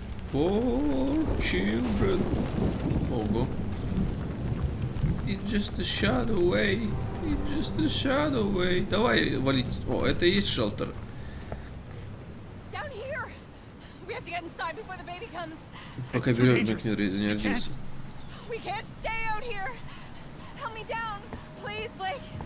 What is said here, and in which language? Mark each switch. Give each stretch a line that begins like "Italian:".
English: Poor children.
Russian: Ого.
English: It's just a shadow way. It's just a shadow way.
Russian: Давай валить. О, это и есть шелтер.
English: Down here. We have to get inside before the baby comes.
Russian: Пока берет, Мак не родился.
English: We can't stay out here. Help me down, please, Blake.